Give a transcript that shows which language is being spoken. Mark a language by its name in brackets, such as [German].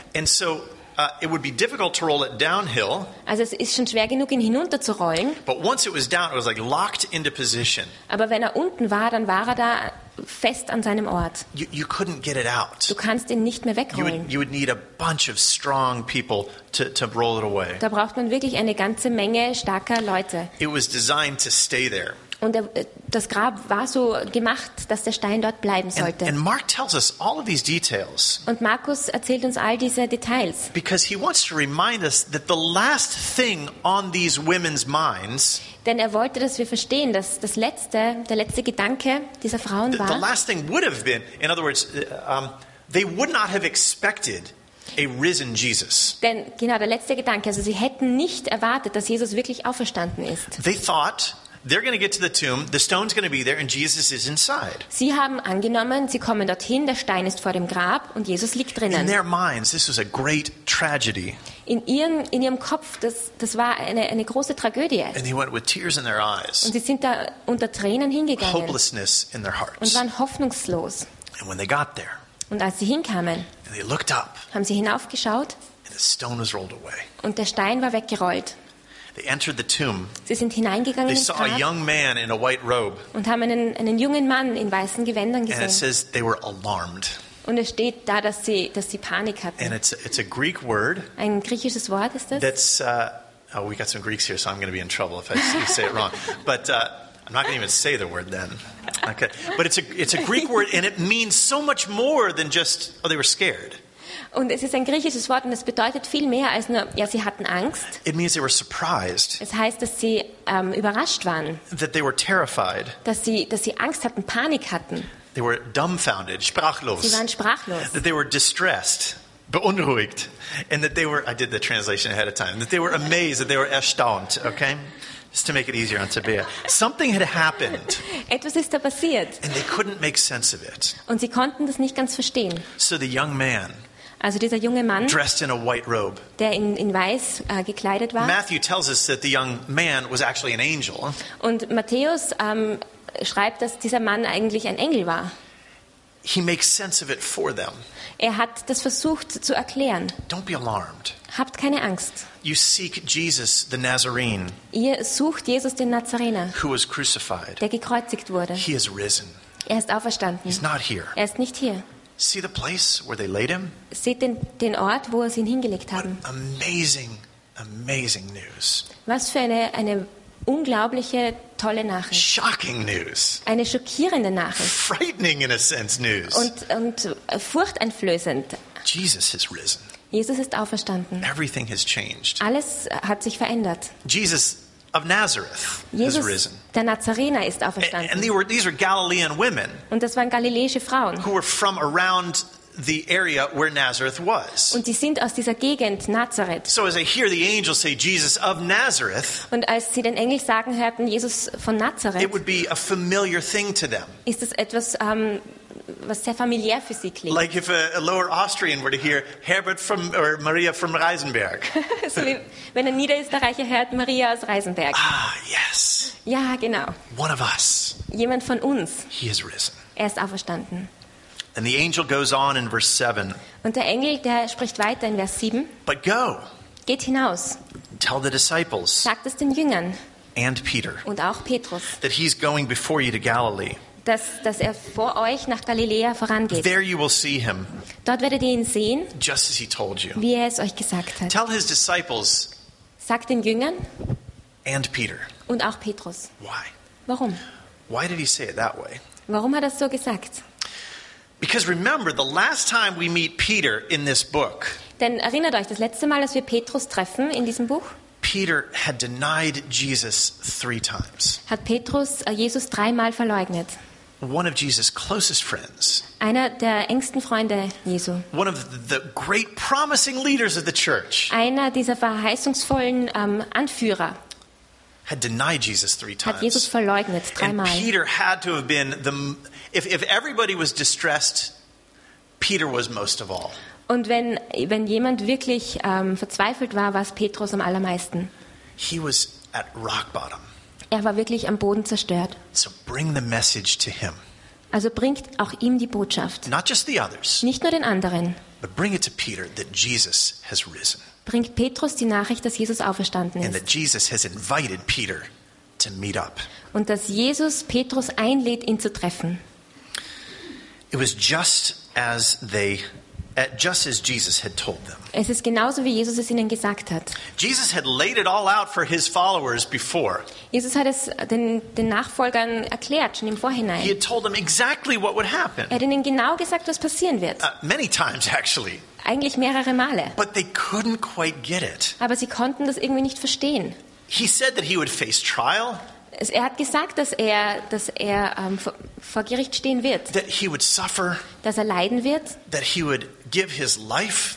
[English] And so it would be difficult to roll it downhill. [German] Also es ist schon schwer genug, ihn hinunterzurollen. [English] But once it was down, it was like locked into position. [German] Aber wenn er unten war, dann war er da fest an seinem Ort. [English] You couldn't get it out. [German] Du kannst ihn nicht mehr wegrollen. [English] You would need a bunch of strong people to roll it away. [German] Da braucht man wirklich eine ganze Menge starker Leute. [English] It was designed to stay there. [German] Und das Grab war so gemacht, dass der Stein dort bleiben sollte. [English] And Mark tells us all of these details. [German] Und Markus erzählt uns all diese Details. [English] Because he wants to remind us that the last thing on these women's minds. [German] Denn er wollte, dass wir verstehen, dass der letzte Gedanke dieser Frauen war. [English] The last thing would have been, in other words, they would not have expected a risen Jesus. [German] Denn genau der letzte Gedanke, also sie hätten nicht erwartet, dass Jesus wirklich auferstanden ist. [English] They thought they're going to get to the tomb, the stone's going to be there and Jesus is inside. [German] Sie haben angenommen, sie kommen dorthin, der Stein ist vor dem Grab und Jesus liegt drinnen. [English] In their minds, this was a great tragedy. [German] In ihrem Kopf, das war eine große Tragödie. [English] And they went with tears in their eyes. [German] Und sie sind da unter Tränen hingegangen. [English] Hopelessness in their hearts. [German] Und waren hoffnungslos. [English] And when they got there. [German] Und als sie hinkamen. [English] And they looked up. [German] Haben sie hinaufgeschaut. [English] And the stone was rolled away. [German] Und der Stein war weggerollt. [English] They entered the tomb. [German] Sie sind hineingegangen. [English] They saw a young man in a white robe. [German] Und haben einen jungen Mann in weißen Gewändern gesehen. [English] And it says they were alarmed. [German] Und es steht da, dass sie Panik hatten. [English] And it's a Greek word. [German] Ein griechisches Wort ist das. [English] That's we got some Greeks here, so I'm going to be in trouble if I say it wrong. But I'm not going to even say the word then. Okay. But it's a Greek word, and it means so much more than just oh they were scared. [German] Und es ist ein griechisches Wort und es bedeutet viel mehr als nur, ja, sie hatten Angst. [English] It means they were surprised. [German] Es heißt, dass sie überrascht waren. [English] That they were terrified. [German] Dass sie Angst hatten, Panik hatten. [English] They were dumbfounded, sprachlos. [German] Sie waren sprachlos. [English] That they were distressed, beunruhigt. And that they were, I did the translation ahead of time, that they were amazed, that they were erstaunt, okay? Just to make it easier on Tabea. Something had happened. [German] Etwas ist da passiert. [English] And they couldn't make sense of it. [German] Und sie konnten das nicht ganz verstehen. [English] So the young man, [German] also dieser junge Mann, [English] dressed in a white robe, [German] der in weiß gekleidet war. [English] Matthew tells us that the young man was actually an angel. [German] Und Matthäus schreibt, dass dieser Mann eigentlich ein Engel war. [English] He makes sense of it for them. [German] Er hat das versucht zu erklären. [English] Don't be alarmed. [German] Habt keine Angst. [English] You seek Jesus the Nazarene. [German] Ihr sucht Jesus den Nazarener. [English] Who was crucified. [German] Der gekreuzigt wurde. [English] He is risen. [German] Er ist auferstanden. [English] He's not here. [German] Er ist nicht hier. [English] See the place where they laid him? [German] Seht den Ort, wo sie ihn hingelegt haben. [English] What amazing, amazing news. [German] Was für eine unglaubliche, tolle Nachricht. [English] Shocking news. [German] Eine schockierende Nachricht. [English] Frightening in a sense news. [German] Und furchteinflößend. [English] Jesus has risen. [German] Jesus ist auferstanden. [English] Everything has changed. [German] Alles hat sich verändert. [English] Jesus of Nazareth [German] Jesus, [English] has risen. [German] Der Nazarener ist auferstanden. [English] And these were Galilean women. [German] Und das waren galiläische Frauen. [English] Who were from around the area where Nazareth was. [German] Und die sind aus dieser Gegend Nazareth. [English] So as they hear the angel say Jesus of Nazareth. [German] Und als sie den Engel sagen hörten Jesus von Nazareth. [English] It would be a familiar thing to them. [German] Ist es etwas was sehr familiär für sie klingt. [English] Like if a Lower Austrian were to hear Herbert from or Maria from Reisenberg. [German] So wie, wenn ein Niederösterreicher hört Maria aus Reisenberg. [English] Ah, yes. [German] Ja, genau. [English] One of us. [German] Jemand von uns. [English] He is risen. [German] Er ist auferstanden. [English] And the angel goes on in verse 7. [German] Und der Engel, der spricht weiter in Vers 7. [English] But go. [German] Geht hinaus. [English] Tell the disciples. [German] Sagt es den Jüngern. [English] And Peter. [German] Und auch Petrus. [English] That he's going before you to Galilee. [German] Dass er vor euch nach Galiläa vorangeht. [English] There you will see him. [German] Dort werdet ihr ihn sehen. [English] Just as he told you. [German] Wie er es euch gesagt hat. [English] Tell his disciples. [German] Sagt den Jüngern. [English] And Peter. [German] Und auch Petrus. [English] Why? [German] Warum? [English] Why did he say it that way? [German] Warum hat er es so gesagt? [English] Because remember the last time we meet Peter in this book. [German] Denn erinnert euch das letzte Mal, dass wir Petrus treffen in diesem Buch. [English] Peter had denied Jesus 3 times. [German] Hat Petrus Jesus 3-mal verleugnet. [English] One of Jesus' closest friends. [German] Einer der engsten Freunde Jesu. [English] One of the great promising leaders of the church. [German] Einer dieser verheißungsvollen Anführer. [English] Had denied Jesus 3 times. [German] Hat Jesus verleugnet 3-mal. [English] And Peter had to have been the if everybody was distressed, Peter was most of all. [German] Und wenn jemand wirklich verzweifelt war, war es Petrus am allermeisten. [English] He was at rock bottom. [German] Er war wirklich am Boden zerstört. [English] So bring the message to him. [German] Also bringt auch ihm die Botschaft. [English] Not just the others. [German] Nicht nur den anderen. [English] But bring it to Peter that Jesus has risen. [German] Bringt Petrus die Nachricht, dass Jesus auferstanden ist. [English] And that Jesus has invited Peter to meet up. [German] Und dass Jesus Petrus einlädt, ihn zu treffen. [English] It was just as they just as Jesus had told them. [German] Es ist genauso wie Jesus es ihnen gesagt hat. [English] Jesus had laid it all out for his followers before. [German] Jesus hat es den Nachfolgern erklärt schon im Vorhinein. [English] He had told them exactly what would happen. [German] Er hat ihnen genau gesagt, was passieren wird. [English] Many times actually. [German] Eigentlich mehrere Male. [English] But they couldn't quite get it. [German] Aber sie konnten das irgendwie nicht verstehen. [English] He said that he would face trial. [German] Er hat gesagt, dass er vor Gericht stehen wird. [English] That he would suffer, [German] dass er leiden wird. [English] That he would give his life,